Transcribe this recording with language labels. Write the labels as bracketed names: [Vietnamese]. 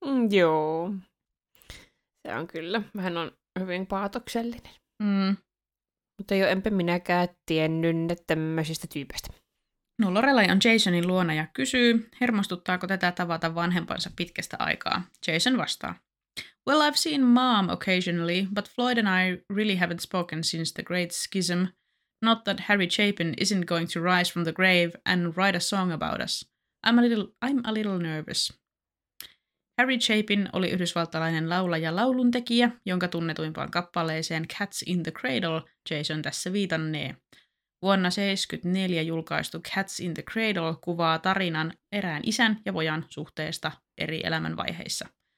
[Finnish] Joo. Se on kyllä. Hän on hyvin paatoksellinen. Mm. Mutta jo enpä minäkään tiennyt tämmöisistä tyypeistä. No Lorelai on Jasonin luona ja kysyy, hermostuttaako tätä tavata vanhempansa pitkästä aikaa. Jason vastaa. [English] Well, I've seen mom occasionally, but Floyd and I really haven't spoken since the Great Schism. Not that Harry Chapin isn't going to rise from the grave and write a song about us. I'm a little nervous. [Finnish] Harry Chapin oli yhdysvaltalainen laulaja lauluntekijä, jonka tunnetuimpaan kappaleeseen Cats in the Cradle Jason tässä viitannee. Vuonna 1974 julkaistu Cats in the Cradle kuvaa tarinan erään isän ja pojan suhteesta eri elämänvaiheissa.